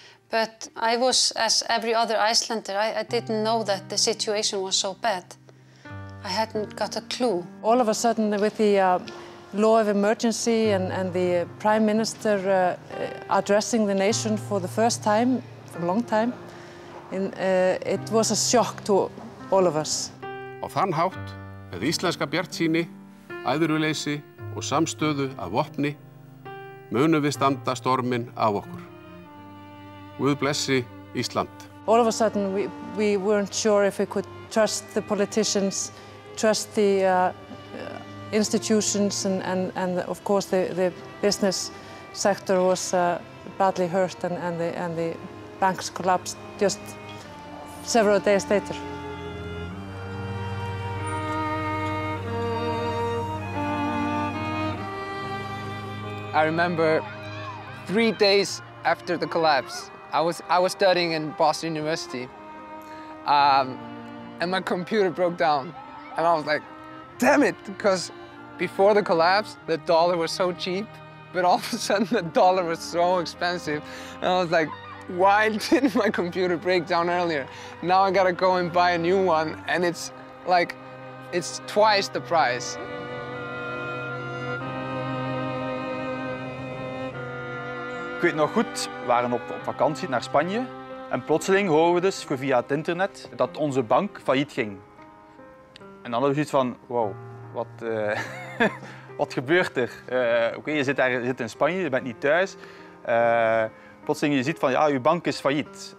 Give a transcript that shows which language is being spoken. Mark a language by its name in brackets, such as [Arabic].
[English] But I was, as every other Icelander, I didn't know that the situation was so bad. I hadn't got a clue. All of a sudden, with the law of emergency and the Prime Minister addressing the nation for the first time for a long time, it was a shock to all of us. [Icelandic] Á þann hátt, með íslenska bjartsýni, æðruleysi og samstöðu að vopni, munum við standa storminn á okkur. Guð blessi Ísland. [English] All of a sudden, we weren't sure if we could trust the politicians, trust the institutions and of course the business sector was badly hurt and the banks collapsed just several days later. I remember 3 days after the collapse, I was studying in Boston University, and my computer broke down, and I was like, damn it, because before the collapse, the dollar was so cheap, but all of a sudden the dollar was so expensive, and I was like, why didn't my computer break down earlier? Now I gotta go and buy a new one, and it's like, it's twice the price. [Dutch] Ik weet nog goed, we waren op vakantie naar Spanje en plotseling horen we dus via het internet dat onze bank failliet ging. En dan hadden we zoiets van, wow, wat gebeurt er? Oké, je zit daar, je zit in Spanje, je bent niet thuis. Plotseling je ziet van, ja, je bank is failliet.